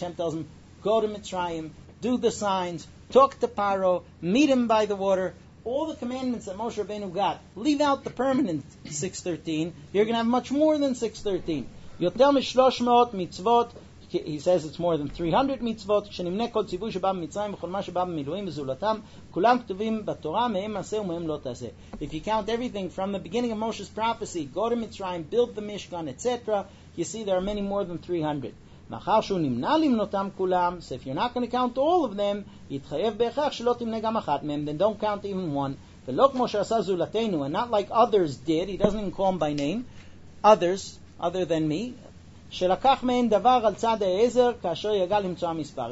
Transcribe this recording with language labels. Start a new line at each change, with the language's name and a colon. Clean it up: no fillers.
English: Hashem tells him, go to Mitzrayim, do the signs, talk to Paro, meet him by the water. All the commandments that Moshe Rabbeinu got, leave out the permanent 613, you're going to have much more than 613.
Hebrew: You'll tell me 300 mitzvot, he says it's more than 300 mitzvot, כשנמנה כל ציווי שבא במצרים וכל מה שבא במילואים וזולתם, כולם כתובים בתורה, מהם עשה ומהם לא תעשה.
English: If you count everything from the beginning of Moshe's prophecy, go to Mitzrayim, build the Mishkan, etc., you see there are many more than 300. מאחר שהוא נמנע למנותם כולם, so if you're not going to count all of them, יתחייב בהכרח שלא תמנה גם אחת מהם, then don't count even one. ולא כמו שעשה זולתנו, and not like others did, he doesn't even call them by name, others, other than me, שלקח מהם דבר על צד העזר, כאשר יגע למצוא המספר.